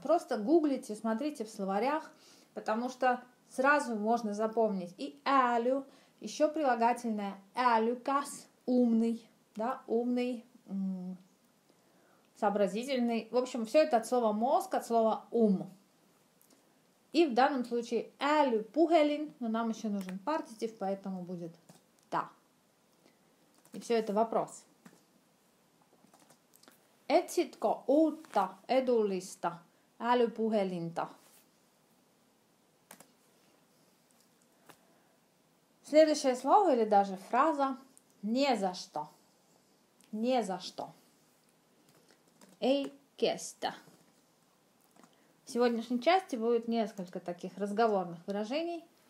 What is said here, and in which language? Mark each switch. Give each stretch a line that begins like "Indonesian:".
Russian: Просто гуглите, смотрите в словарях, потому что сразу можно запомнить и «äly», еще прилагательное «älykäs» — «умный», да, «умный», «сообразительный». В общем, все это от слова «мозг», от слова «ум». И в данном случае «älypuhelin», но нам еще нужен партитив, поэтому будет «да». И все это вопрос.
Finnish: Etsitko uutta edullista älypuhelinta?
Russian: Следующее слово или даже фраза «не за что». «Не за что».
Finnish: «Ei kestä».
Russian: В сегодняшней части будет несколько таких разговорных выражений.